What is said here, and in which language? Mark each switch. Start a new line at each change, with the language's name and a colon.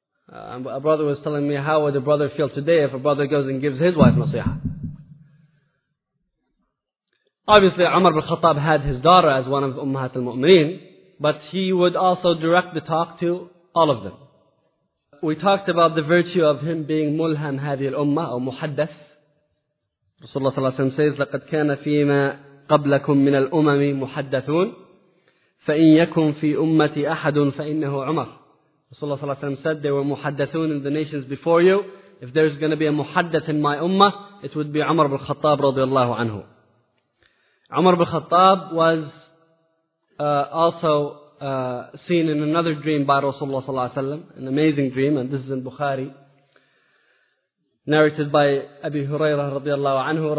English: A brother was telling me, how would a brother feel today if a brother goes and gives his wife nasiha? Obviously, Umar ibn Khattab had his daughter as one of Ummahat al-Mu'mineen, but he would also direct the talk to all of them. We talked about the virtue of him being mulham hadhi al-Ummah, or muhaddath. Rasulullah sallallahu alayhi wa sallam says,
Arabic: لَقَدْ كَانَ فِي مَا قَبْلَكُمْ مِنَ الْأُمَمِ مُحَدَّثُونَ فَإِنْ يَكُمْ فِي أُمَّةِ أَحَدٌ فَإِنَّهُ عُمَرٌ.
English: Rasulullah sallallahu alayhi wa sallam said, there were muhaddathun in the nations before you. If there is going to be a muhaddath in my ummah, it would be Umar ibn Khattab radiallahu anhu. Umar ibn Khattab was also seen in another dream by Rasulullah sallallahu alayhi wa sallam, an amazing dream, and this is in Bukhari, narrated by Abi Hurairah radiallahu anhu.